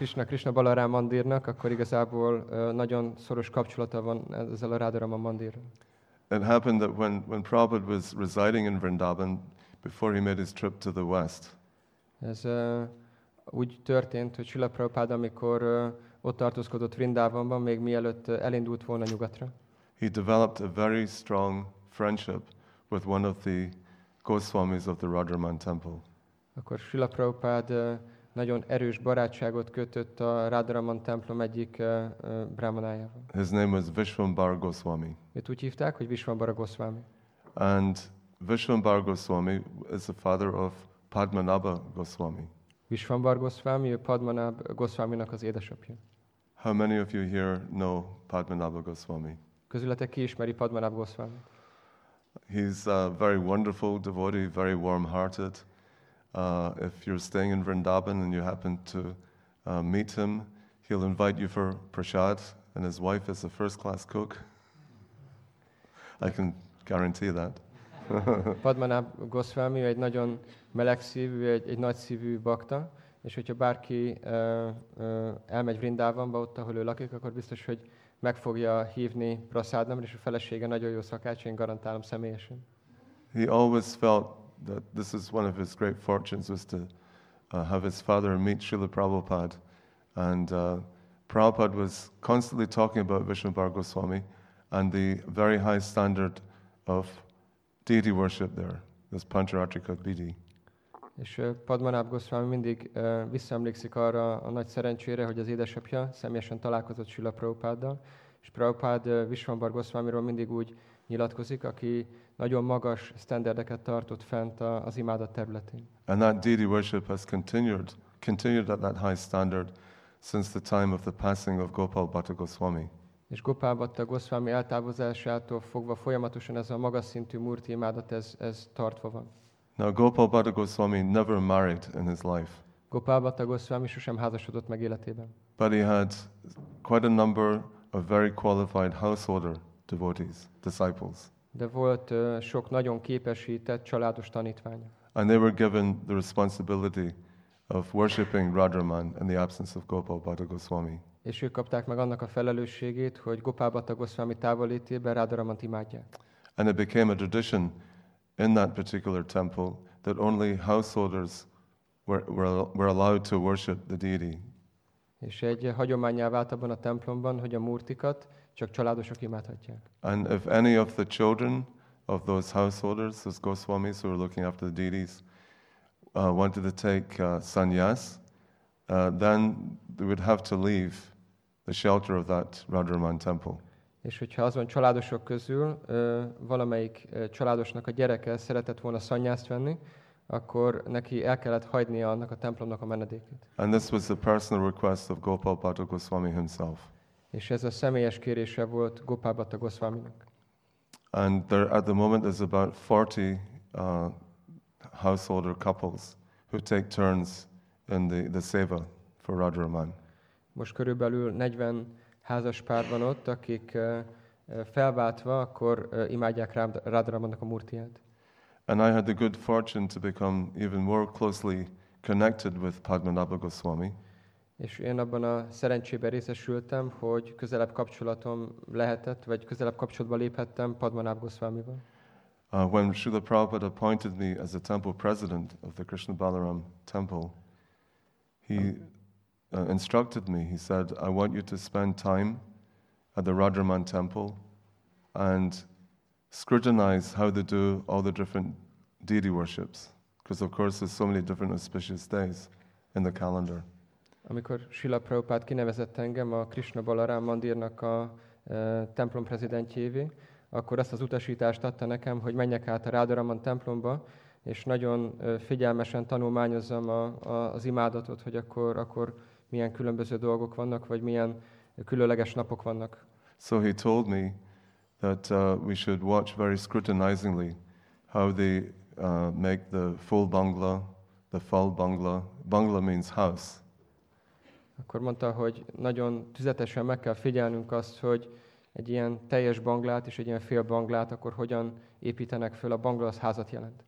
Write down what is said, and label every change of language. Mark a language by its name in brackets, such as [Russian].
[Hungarian] Krishna Balaram mandirnak, akkor igazából nagyon szoros kapcsolata van ezzel a Radharaman mandirral. [English] It happened that when Prabhupada was residing in Vrindavan before he made his trip to the west. [Hungarian] Ez úgy történt, hogy Srila Prabhupada, amikor ott tartózkodott Vrindavanban, még mielőtt elindult volna nyugatra. [English] He developed a very strong friendship with one of the Goswamis of the Radharaman temple. [Hungarian] Akkor Srila Prabhupada nagyon erős barátságot kötött a Radharaman templom egyik brahmanájával. [English] His name was Vishwambar Goswami. [Hungarian] Őt úgy hívták, hogy Vishwambar Goswami. [English] And Vishwambar Goswami is the father of Padmanabha Goswami. [Hungarian] Vishwambar Goswami, ő Padmanabha Goswaminak az édesapja. [English] How many of you here know Padmanabha Goswami? [Hungarian] Közületek ki ismeri Padmanabha Goswami? [English] He's a very wonderful devotee, very warm-hearted. If you're staying in Vrindavan and you happen to meet him, he'll invite you for prasad, and his wife is a first-class cook. I can guarantee that. [Hungarian] Padmanabha Goswami egy nagyon melegszívű, egy nagyszívű bakta, és hogyha bárki elmegy Vrindavanba, ott, ahol ő lakik, akkor biztos, hogy meg fogja hívni prasadamra, és a felesége nagyon jó szakács, én garantálom személyesen. [English] He always felt that this is one of his great fortunes, was to have his father meet Srila Prabhupada. And Prabhupada was constantly talking about Vishwambar Goswami and the very high standard of deity worship there, this Pancharatrika Bidhi. [Hungarian] És Padmanabha Goswami mindig visszaemlékszik arra a nagy szerencsére, hogy az édesapja személyesen találkozott Srila Prabhupáddal, és Prabhupád Vishwambar Goswamiról mindig úgy nyilatkozik, aki nagyon magas standardeket tartott fent az imádat területén. [English] And that deity worship has continued at that high standard since the time of the passing of Gopal Bhatta Goswami. [Hungarian] És Gopal Bhatta Goswami eltávozásától fogva folyamatosan ez a magas szintű murti imádat ez tartva van. [English] Now Gopal Bhatta Goswami never married in his life. [Hungarian] Gopal Bhatta Goswami sosem házasodott meg életében. [English] But he had quite a number of very qualified householder devotees, disciples. [Hungarian] De volt sok nagyon képesített családos tanítványa. [English] And they were given the responsibility of worshiping Radharaman in the absence of Gopal Bhatta Goswami. [Hungarian] És ők kapták meg annak a felelősségét, hogy Gopal Bhatta Goswami távolítében Radharamant imádják. [English] And it became a tradition in that particular temple that only householders were allowed to worship the deity. [Hungarian] És egy hagyománnyá vált abban a templomban, hogy a murtikat csak családosok imádhatják. [English] And if any of the children of those householders, those goswamis who were looking after the deities, wanted to take sannyas, then they would have to leave the shelter of that Radharaman temple. [Hungarian] És hogyha azon családosok közül valamelyik családosnak a gyereke szeretett volna szanyászt venni, akkor neki el kellett hagynia annak a templomnak a menedékét. [English] And this was the personal request of Gopal Bhatta Goswami himself. [Hungarian] És ez a személyes kérése volt Gopal Bhatta Goswaminak. [English] And there at the moment there's about 40 householder couples who take turns in the seva for Radharaman. [Hungarian] Most körülbelül 40 házaspár van ott, akik felváltva, akkor imádják Radharamannak a murtiát. [English] And I had the good fortune to become even more closely connected with Padmanabha Goswami. [Hungarian] És én abban a szerencsében részesültem, hogy közelebb kapcsolatom lehetett, vagy közelebb kapcsolatba léphettem Padmanabha Goswamival. [English] When Srila Prabhupada appointed me as a temple president of the Krishna Balaram temple, he instructed me. He said, I want you to spend time at the Radharman temple and scrutinize how they do all the different deity worships. Because, of course, there's so many different auspicious days in the calendar. [Hungarian] Amikor Srila Prabhupada kinevezett engem a Krishna Balaram mandirnak a templom prezidentjévé, akkor azt az utasítást adta nekem, hogy menjek át a Radharaman templomba, és nagyon figyelmesen tanulmányozzam az imádatot, hogy akkor milyen különböző dolgok vannak, vagy milyen különleges napok vannak. [English] So he told me that we should watch very scrutinizingly how they make the full bungalow, the full bungalow. Bungalow means house. [Hungarian] Akkor mondta, hogy nagyon tüzetesen meg kell figyelnünk azt, hogy egy ilyen teljes banglát és egy ilyen fél banglát, akkor hogyan építenek föl, a bungalow az házat jelent.